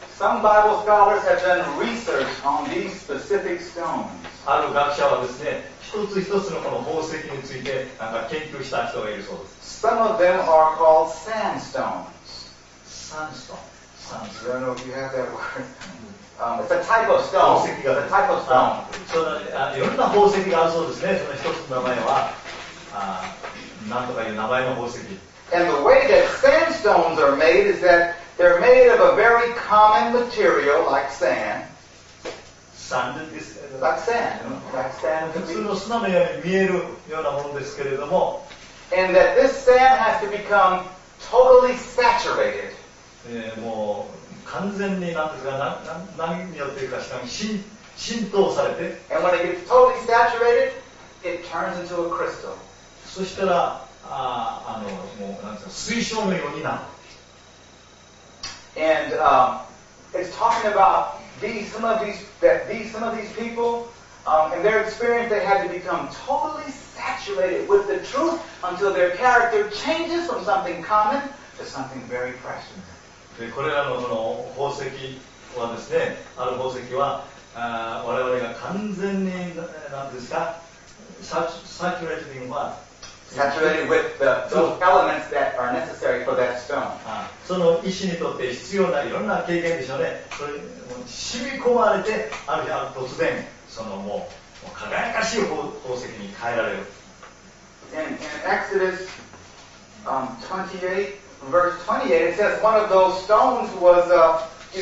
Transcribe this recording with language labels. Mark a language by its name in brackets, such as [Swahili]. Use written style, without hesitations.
[English] Some Bible scholars have done research on these specific stones. [Japanese] ある学者はですね、一つ一つのこの宝石についてなんか研究した人がいるそうです。 [English] Some of them are called sandstones. Sandstone. don't know if you have that word. It's a type of stone. [Japanese] 宝石が、 [English] a type of stone. [Japanese] そのあ、いろんな宝石があるそうですね。その一つの名前は、あ、なんとかいう名前の宝石。 [English] And the way that sandstones are made is that they're made of a very common material like sand. Sand is like sand. Like sand. [Japanese] 普通の砂のように見えるようなものですけれども。 [English] And that this sand has to become totally saturated. [Japanese] もう完全になんですか、何によってか浸透されて。 [English] And when it gets totally saturated, it turns into a crystal. [Japanese] そしたら、あのもうなんか水晶のようになる。 [English] And it's talking about some of these people and their experience. They had to become totally saturated with the truth until their character changes from something common to something very precious. [Japanese] でこれらのその宝石はですね、ある宝石は我々が完全に何ですか、 [English] saturated in what? Saturated with the elements that are necessary for that stone. [Japanese] その石にとって必要ないろんな経験でしょうね。それもう染み込まれて、ある日突然、そのもう輝かしい宝石に変えられる。 [English] In Exodus 28, verse 28, it says one of those stones was a.